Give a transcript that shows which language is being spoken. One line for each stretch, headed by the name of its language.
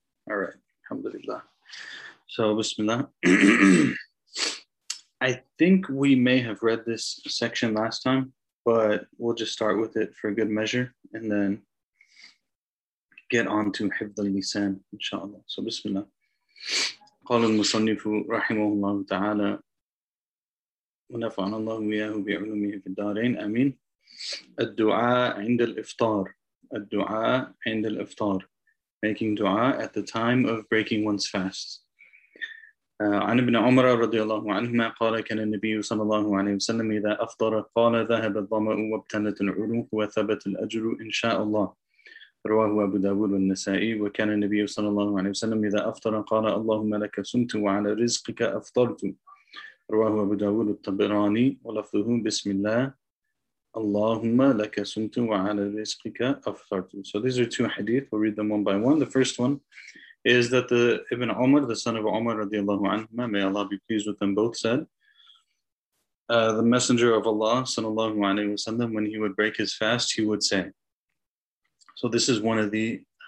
English: All right. Alhamdulillah. So, Bismillah. I think we may have read this section last time, but we'll just start with it for a good measure and then get on to Hifd al-Lisan, inshallah. So, Bismillah.
Arabic: قال المصنف رحمه الله تعالى ونفعنا الله وياه بعلومه في الدارين آمين. الدعاء عند الإفطار. الدعاء عند الإفطار.
English: Making dua at the time of breaking one's fast.
Arabic: عن ابن عمر رضي الله عنهما قال كان النبي صلى الله عليه وسلم إذا أفطر قال ذهب الظمأ وابتلت العروق وثبت الأجر إن شاء الله رواه أبو داود والنسائي وكان النبي صلى الله عليه وسلم إذا أفطر قال اللهم لك صمت وعلى رزقك أفطرت رواه أبو داود الطبراني ولفظه بسم الله اللهم لك صمت وعلى رزقك أفطرت.
English: So these are two hadith. We'll read them one by one. The first one is that the Ibn Umar, the son of Umar radiallahu anhu, may Allah be pleased with them both, said, the Messenger of Allah sallallahu alaihi wasallam, when he would break his fast, he would say. So this is one of the